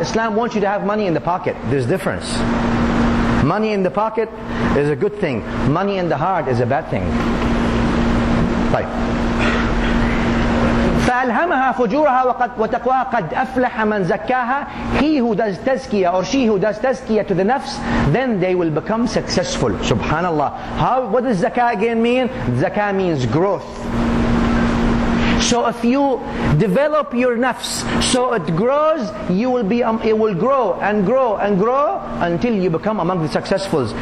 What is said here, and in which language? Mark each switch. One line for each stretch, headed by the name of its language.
English: Islam wants you to have money in the pocket. There's difference. Money in the pocket is a good thing. Money in the heart is a bad thing.
Arabic: طيب. فألهمها فجورها وقد وتقواها قد أفلح من زكاها.
English: He who does tazkiyah or she who does tazkiyah to the nafs, then they will become successful. Subhanallah. How, what does zakah again mean? Zakah means growth. So if you develop your nafs so it grows, you will be it will grow and grow and grow until you become among the successfuls.